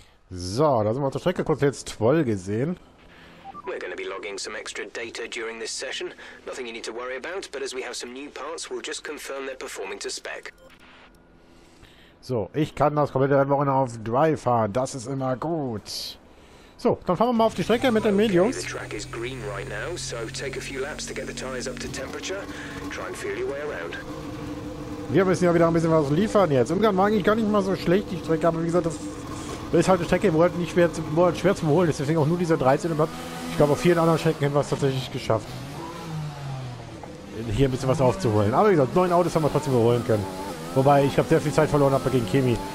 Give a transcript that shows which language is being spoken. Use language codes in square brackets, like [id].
[de] So, da sind wir auf der Strecke kurz jetzt voll gesehen. [en] We're going to be logging some extra data during this session. Nothing you need to worry about, but as we have some new parts, we'll just confirm they're performing to spec. [de] So, ich kann das komplette Rennwochenende auf Drive fahren. Das ist immer gut. So, dann fahren wir mal auf die Strecke mit den Mediums. [en] Okay, the track is green right now, so take a few laps to get the tires up to temperature. Try and feel your way around. [de] Wir müssen ja wieder ein bisschen was liefern jetzt. Ungarn war eigentlich gar nicht mal so schlecht, die Strecke, aber wie gesagt, das ist halt eine Strecke, wo halt nicht schwer zu holen ist. Deswegen auch nur dieser 13. Platz. Ich glaube, auf vielen anderen Strecken hätten wir es tatsächlich geschafft, hier ein bisschen was aufzuholen. Aber wie gesagt, 9 Autos haben wir trotzdem überholen können. Wobei ich glaube, sehr viel Zeit verloren habe gegen Kimi.